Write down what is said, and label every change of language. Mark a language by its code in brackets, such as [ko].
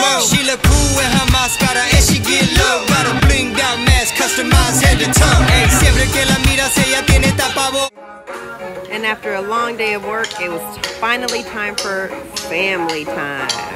[en] She look cool with her mascara and she get low. Got a blinged out mask, customized head to toe. [es] Siempre que la miras, ella tiene tapabocas. [en] And after a long day of work, it was finally time for family time.